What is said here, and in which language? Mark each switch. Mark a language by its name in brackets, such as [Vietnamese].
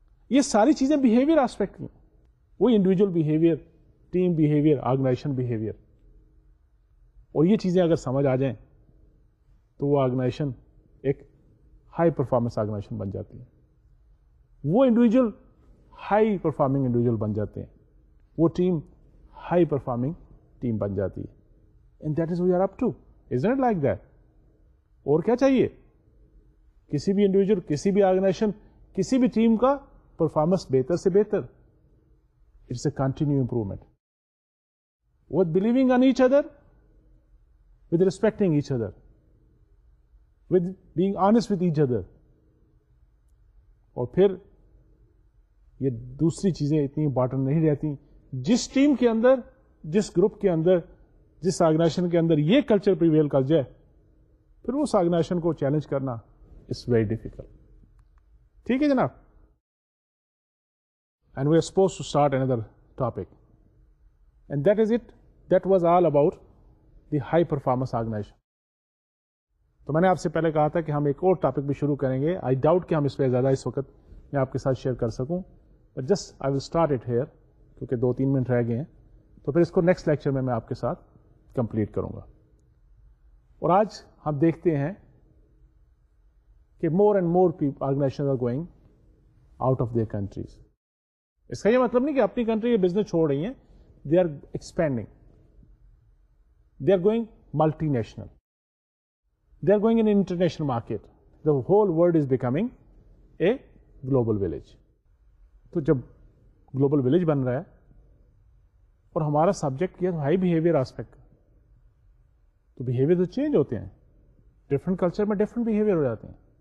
[Urdu] یہ ساری چیزیں بیہیویئر آسپیکٹ کی, وہ individual behaviour, team behaviour, organization behaviour, اور یہ چیزیں اگر سمجھ آ جائیں تو وہ آرگنائزیشن ایک ہائی پرفارمنس آرگنائزیشن بن جاتی ہے, وہ انڈیویجول ہائی پرفارمنگ انڈیویجول بن جاتے ہیں, وہ ٹیم ہائی پرفارمنگ ٹیم بن جاتی ہے. [English] And that is we are up to. Isn't it like that? [Urdu] اور کیا چاہیے؟ کسی بھی انڈیویجول، کسی بھی آرگنائزیشن، کسی بھی ٹیم کا پرفارمنس بہتر سے بہتر. [English] It's a continuous improvement. With believing on each other, with respecting each other, with being honest with each other. [Urdu] اور پھر یہ دوسری چیزیں اتنی امپورٹنٹ نہیں رہتی. جس ٹیم کے اندر، جس گروپ کے اندر، جس آرگنائزیشن کے اندر یہ کلچر پریویل کر جائے، پھر اس آرگنائزیشن کو چیلنج کرنا [English] It's very difficult. [Urdu] ٹھیک ہے جناب؟ [English] And we are supposed to start another topic. And that is it. That was all about the high performance organization. So I have said before that we will start another topic. I doubt that we will share it more at this time. But just I will start it here. Because 2-3 minutes are left. So then I will complete it in the next lecture. And today we are seeing that more and more people, organizations are going out of their countries. [Urdu] اس کا یہ مطلب نہیں کہ اپنی country یہ business چھوڑ رہی ہیں. [English] They are expanding, they are going multinational, they are going in international market. The whole world is becoming a global village. [Urdu] تو جب گلوبل ویلیج بن رہا ہے اور ہمارا سبجیکٹ کیا ہائی بیہیویئر آسپیکٹ، تو بیہیویئر تو چینج ہوتے ہیں، ڈفرنٹ کلچر میں ڈفرنٹ بیہیویئر ہو جاتے ہیں.